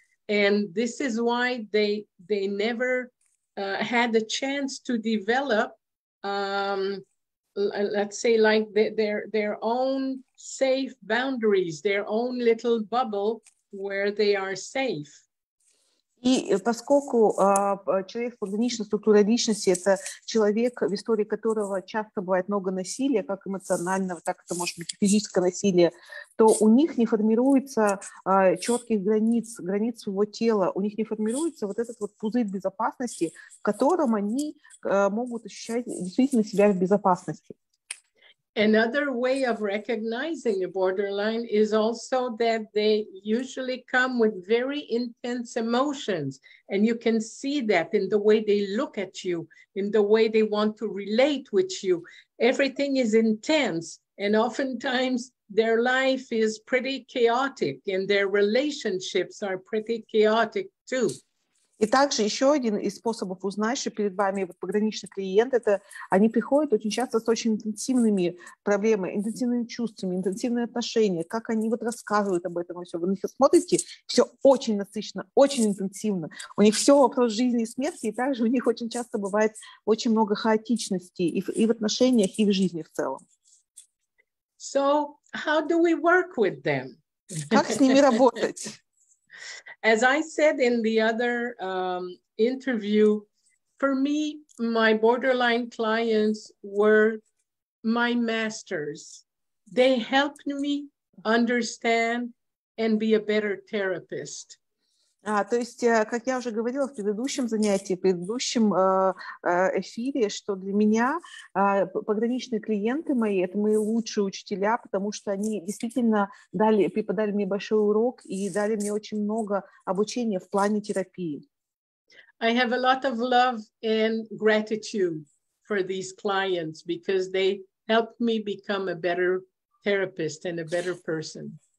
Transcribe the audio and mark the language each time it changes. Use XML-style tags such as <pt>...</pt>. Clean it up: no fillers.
<en>And this is why they never had a chance to develop, let's say, like their own safe boundaries, their own little bubble where they are safe.</en> <ru>И поскольку человек с пограничной структурой личности – это человек, в истории которого часто бывает много насилия, как эмоционального, так это может быть физическое насилие, то у них не формируется четких границ своего тела, у них не формируется вот этот вот пузырь безопасности, в котором они могут ощущать действительно себя в безопасности.</ru> <en>Another way of recognizing a borderline is also that they usually come with very intense emotions. And you can see that in the way they look at you, in the way they want to relate with you. Everything is intense. And oftentimes their life is pretty chaotic and their relationships are pretty chaotic too.</en> <ru>И также еще один из способов узнать, что перед вами вот пограничный клиент, это они приходят очень часто с очень интенсивными проблемами, интенсивными чувствами, интенсивные отношения, как они вот рассказывают об этом все. Вы на них смотрите, все очень насыщенно, очень интенсивно. У них все вопрос жизни и смерти, и также у них очень часто бывает очень много хаотичности и в отношениях, и в жизни в целом.</ru> <en>So, how do we work with them?</en> <ru>Как с ними работать?</ru> <en>As I said in the other interview, for me, my borderline clients were my masters. They helped me understand and be a better therapist.</en> <ru>То есть, как я уже говорила в предыдущем занятии, в предыдущем эфире, что для меня пограничные клиенты мои – это мои лучшие учителя, потому что они действительно дали, преподали мне большой урок и дали мне очень много обучения в плане терапии.</ru> <en>I have a lot of love and gratitude for these clients because they helped me become a better therapist and a better person.</en>